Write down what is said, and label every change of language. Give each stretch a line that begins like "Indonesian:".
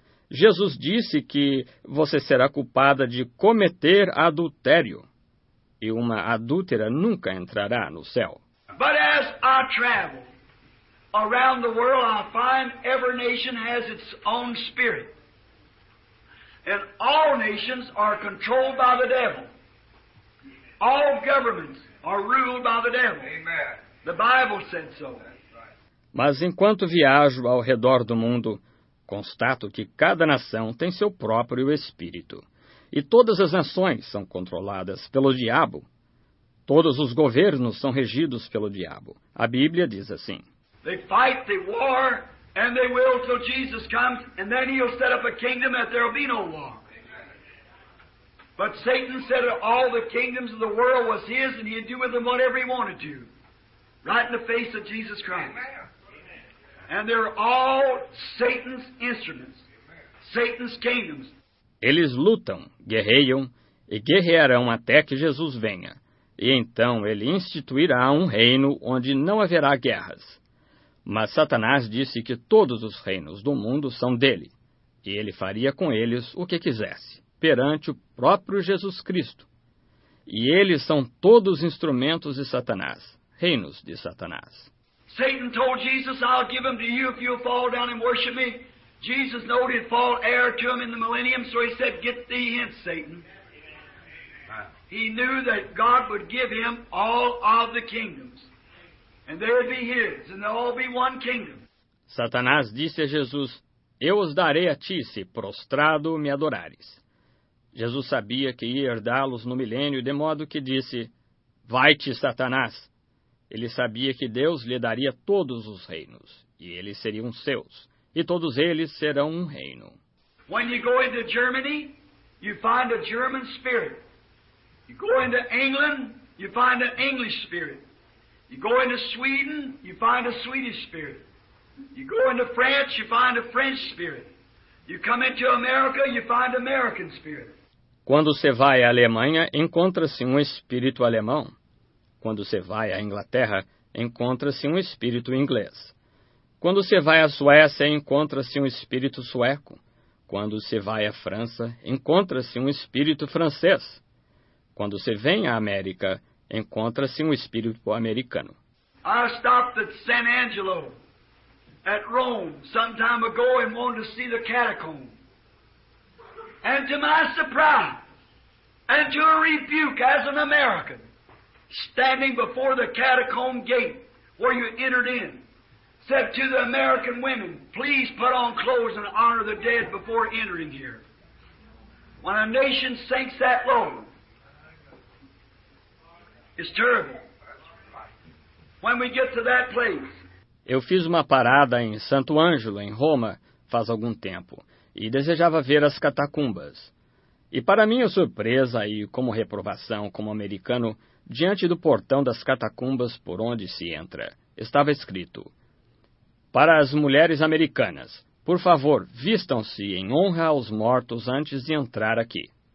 Portuguese: Jesus disse que você será culpada de cometer adultério, e uma adúltera nunca entrará no céu.
English: But as I travel around the world, I find every nation has its own spirit. And all nations are controlled by the devil. All governments are ruled by the devil. Amen. The Bible said so.
Portuguese: Mas enquanto viajo ao redor do mundo, constato que cada nação tem seu próprio espírito. E todas as nações são controladas pelo diabo. Todos os governos são regidos pelo diabo. A Bíblia diz assim.
English: They fight, they war, and they will till Jesus comes, and then he'll set up a kingdom that there'll be no war. Amen. But Satan said that all the kingdoms of the world was his and he'd do with them whatever he wanted to. Right in the face of Jesus Christ. Amen. And they're all Satan's instruments. Satan's kingdoms.
Portuguese: Eles lutam, guerreiam e guerrearão até que Jesus venha. E então ele instituirá um reino onde não haverá guerras. Mas Satanás disse que todos os reinos do mundo são dele, e ele faria com eles o que quisesse, perante o próprio Jesus Cristo. E eles são todos instrumentos de Satanás, reinos de Satanás.
English: Satan told Jesus, I'll give him to you if you'll fall down and worship me. Jesus knew he'd fall heir to him in the millennium, so he said, get thee hence, Satan. He knew that God would give him all of the kingdoms. And they'd be his, and they'll all be one kingdom.
Portuguese: Satanás disse a Jesus, eu os darei a ti, se prostrado me adorares. Jesus sabia que ia herdá-los no milênio, de modo que disse, vai-te, Satanás. Ele sabia que Deus lhe daria todos os reinos, e eles seriam seus, e todos eles serão um reino.
English: When you go into Germany, you find a German spirit. You go into England, you find an English spirit. You go into Sweden, you find a Swedish spirit. You go into France, you find a French spirit. You come into America, you find an American spirit.
Portuguese: Quando você vai à Alemanha, encontra-se um espírito alemão. Quando você vai à Inglaterra, encontra-se um espírito inglês. Quando você vai à Suécia, encontra-se um espírito sueco. Quando você vai à França, encontra-se um espírito francês. Quando você vem à América, encontra-se um espírito americano.
English: I stopped at San Angelo, at Rome, some time ago, and wanted to see the catacomb. And to my surprise, and to a rebuke as an American, standing before the catacomb gate where you entered in, said to the American women, please put on clothes and honor the dead before entering here. When a nation sinks that low, it's terrible. When we get to that place.
Portuguese: Eu fiz uma parada em Santo Ângelo, em Roma, faz algum tempo, e desejava ver as catacumbas. E para minha surpresa e como reprovação como americano, diante do portão das catacumbas por onde se entra, estava escrito: para as mulheres americanas, por favor, vistam-se em honra aos mortos antes de entrar aqui.